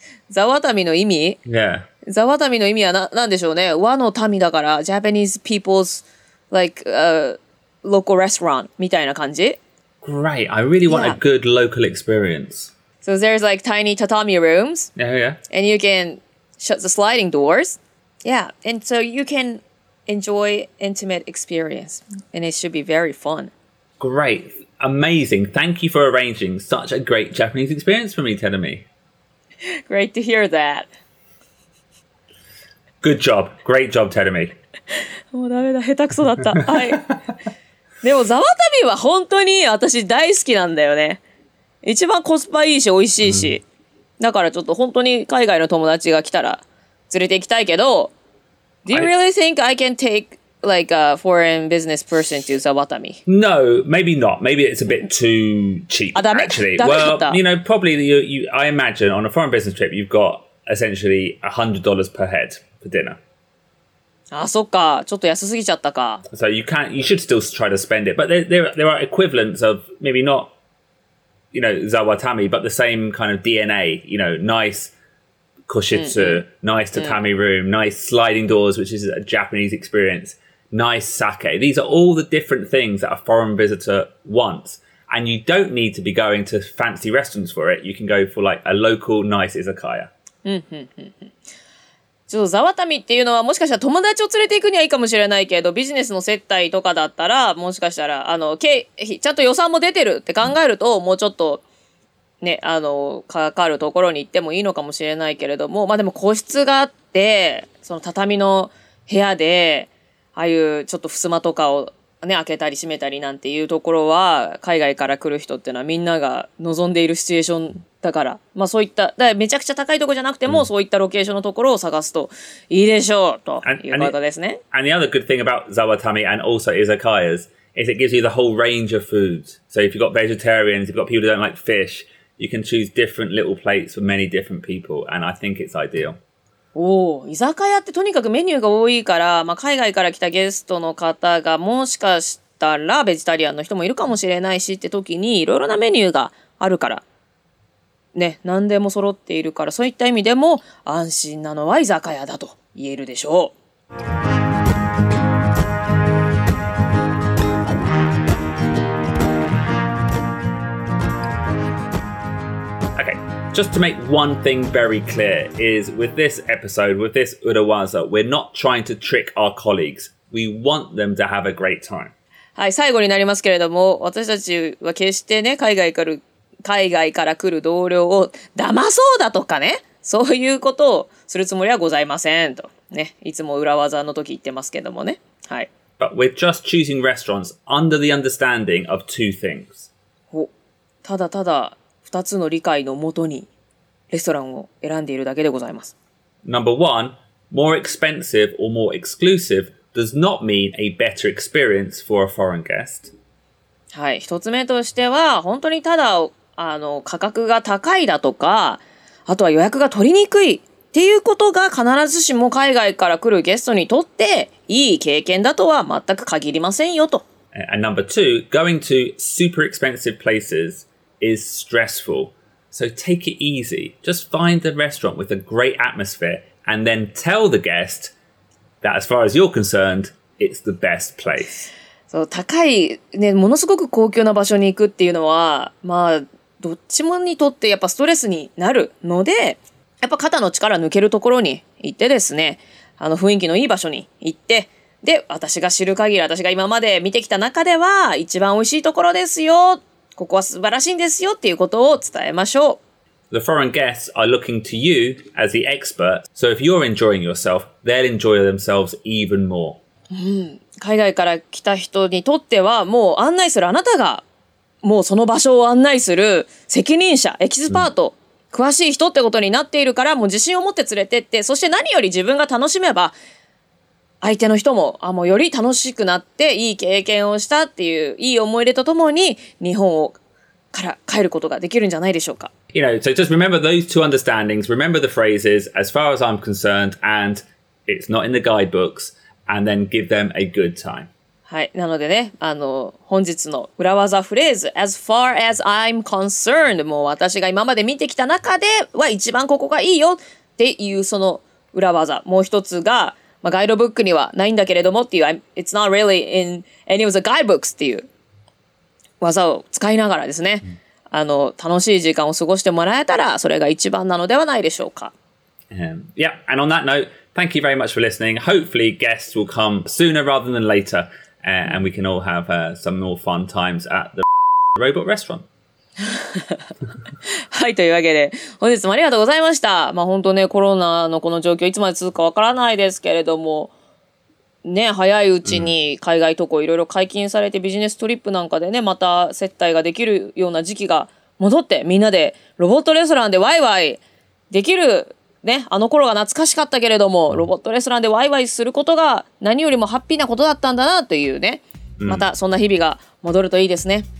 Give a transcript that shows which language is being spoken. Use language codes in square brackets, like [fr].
[ja] Zawatami の意味? [en] Yeah. [ja] ザワタミの意味は何でしょうね。和の民だから、 [en] Japanese people's like local restaurant [ja] みたいな感じ。 [en] Great, I really want a good local experience. So there's like tiny tatami rooms. Yeah. And you can shut the sliding doors. Yeah, and so you can enjoy intimate experience, and it should be very fun. Great, amazing. Thank you for arranging such a great Japanese experience for me, Terumi. Great to hear that. Good job. Great job, Terumi. [ja] もうダメだ。下手くそだった。はい。でも、ザワタミは本当に私大好きなんだよね。一番コスパいいし、美味しいし。Mm. だからちょっと本当に海外の友達が来たら連れて行きたいけど、 [en] Do you really think I can take like a foreign business person to [ja] ザワタミ? [en] No, maybe not. Maybe it's a bit too cheap, [ja] あ、ダメ? [en] actually. [ja] ダメだった。 [en] Well, you know, probably, you, I imagine on a foreign business trip, you've got essentially $100 per head. For dinner. [ja] あ、そっか。ちょっと安すぎちゃったか。 [en] So you should still try to spend it. But there are equivalents of maybe not, you know, Zawatami, but the same kind of DNA, you know, nice koshitsu, nice tatami room, nice sliding doors, which is a Japanese experience, nice sake. These are all the different things that a foreign visitor wants. And you don't need to be going to fancy restaurants for it. You can go for like a local nice izakaya. [ja] ちょっとザワタミっていうのはもしかしたら友達を連れていくにはいいかもしれないけど、ビジネスの接待とかだったら、もしかしたら、ちゃんと予算も出てるって考えると、もうちょっと、ね、あの、かかるところに行ってもいいのかもしれないけれども、まあでも個室があって、その畳の部屋で、ああいうちょっと襖とかをね、開けたり閉めたりなんていうところは、海外から来る人っていうのはみんなが望んでいるシチュエーションだから、まあそういった、だからめちゃくちゃ高いところじゃなくても、そういったロケーションのところを探すといいでしょう、ということですね。 [en] And the other good thing about Zawatami and also Izakayas is it gives you the whole range of foods. So if you've got vegetarians, if you've got people who don't like fish, you can choose different little plates for many different people. And I think it's ideal. [ja] おお、居酒屋ってとにかくメニューが多いから、まあ、海外から来たゲストの方がもしかしたらベジタリアンの人もいるかもしれないしって時にいろいろなメニューがあるからね、何でも揃っているからそういった意味でも安心なのは居酒屋だと言えるでしょう。 [en] Just to make one thing very clear is with this episode, with this Urawaza, we're not trying to trick our colleagues. We want them to have a great time. [ja] はい、最後になりますけれども、私たちは決してね、海外から来る同僚を騙そうだとかね、そういうことをするつもりはございませんと。ね、いつも Urawaza の時言ってますけどもね。はい。 [en] But we're just choosing restaurants under the understanding of two things. [ja] お、ただただ、2つの理解のもとにレストランを選んでいるだけでございます。 [en] Number one, more expensive or more exclusive does not mean a better experience for a foreign guest. [ja] はい、1つ目としては本当にただあの価格が高いだとか、あとは予約が取りにくいっていうことが必ずしも海外から来るゲストにとっていい経験だとは全く限りませんよと。 [en] And number two, going to super expensive placesis stressful. So take it easy. Just find a restaurant with a great atmosphere and then tell the guest that as far as you're concerned, it's the best place. [ja] そう、高い、ね、ものすごく高級な場所に行くっていうのは、まあ、どっちもにとってやっぱストレスになるので、やっぱ肩の力抜けるところに行ってですね、あの雰囲気のいい場所に行って、で、私が知る限り、私が今まで見てきた中では一番美味しいところですよ。ここは素晴らしいんですよっていうことを伝えましょう。 [en] The foreign guests are looking to you as the expert, so if you're enjoying yourself, they'll enjoy themselves even more.、 [ja] うん、海外から来た人にとっては、もう案内するあなたが、もうその場所を案内する責任者、エキスパート、うん、詳しい人ってことになっているから、もう自信を持って連れてって、そして何より自分が楽しめば、相手の人も、あ、もうより楽しくなって、いい経験をしたっていう、いい思い出とともに、日本をから帰ることができるんじゃないでしょうか。 [en] You know, so just remember those two understandings, remember the phrases, as far as I'm concerned, and it's not in the guidebooks, and then give them a good time. [ja] はい。なのでね、あの、本日の裏技フレーズ、 [en] as far as I'm concerned, [ja] もう私が今まで見てきた中では一番ここがいいよっていうその裏技。もう一つが、まあ、ガイドブックにはないんだけれどもっていう、 [en] It's not really in any of the guidebooks [ja] っていう技を使いながらですね、うん、あの、楽しい時間を過ごしてもらえたら、それが一番なのではないでしょうか。 [en] Yeah, and on that note, thank you very much for listening. Hopefully guests will come sooner rather than later, and we can all have some more fun times at the robot restaurant. [ja] はい、というわけで本日もありがとうございました。まあ本当ね、コロナのこの状況いつまで続くかわからないですけれどもね、早いうちに海外渡航いろいろ解禁されて、ビジネストリップなんかでね、また接待ができるような時期が戻って、みんなでロボットレストランでワイワイできるね、あの頃が懐かしかったけれども、ロボットレストランでワイワイすることが何よりもハッピーなことだったんだなというね、またそんな日々が戻るといいですね。